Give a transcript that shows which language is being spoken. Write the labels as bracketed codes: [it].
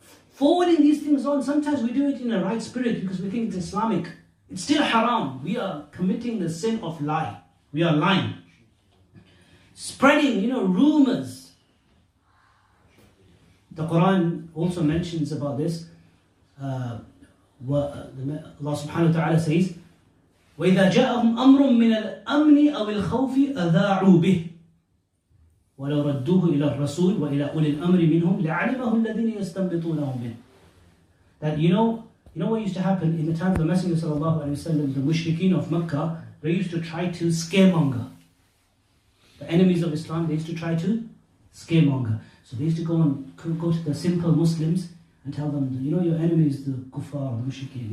[en] Forwarding these things on, sometimes we do it in a right spirit because we think it's Islamic. It's still haram. We are committing the sin of lie. We are lying. Spreading, you know, rumors. The Quran also mentions about this. Allah subhanahu wa ta'ala says, [ar] وَإِذَا جَاءَهُمْ أَمْرٌ مِّنَ الْأَمْنِ أَوِ الْخَوْفِ أَذَاعُوا بِهِ وَلَوْ رَدُّوهُ إِلَى الرَّسُولِ وَإِلَى أُولِي الْأَمْرِ مِنْهُمْ لَعَلِمَهُ الَّذِينَ يَسْتَنْبِطُونَهُمْ مِنْهُ. [en] That, you know, what used to happen in the time of the Messenger sallallahu alayhi wa sallam, the mushrikeen of Mecca, they used to try to scaremonger. The enemies of Islam, they used to try to scaremonger. So they used to go to the simple Muslims and tell them, you know, your enemy is the kuffar, the mushrikeen.